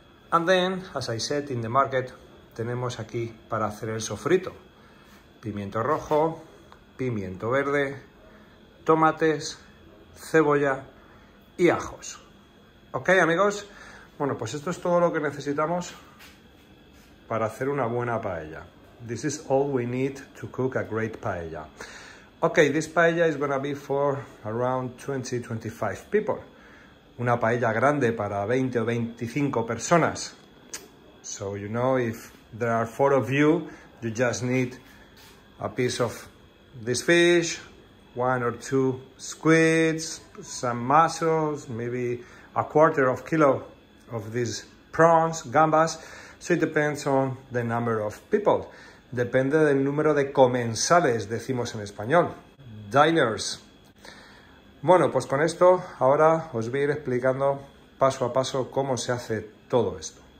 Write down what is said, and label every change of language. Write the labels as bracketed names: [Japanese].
[English] And then, as I said in the market, [Spanish] tenemos aquí para hacer el sofrito. Pimiento rojo, pimiento verde, tomates, cebolla y ajos. ¿Ok, amigos? Bueno, pues esto es todo lo que necesitamos para hacer una buena paella. [English] This is all we need to cook a great paella. Ok, this paella is going to be for around 20-25 people. [Spanish] Una paella grande para 20 o 25 personas. [English] So, you know, if there are four of you, you just need a piece of this fish, one or two squids, some mussels, maybe a quarter of kilo of these prawns, gambas. So it depends on the number of people. [Spanish] Depende del número de comensales, decimos en español. Diners. Bueno, pues con esto ahora os voy a ir explicando paso a paso cómo se hace todo esto.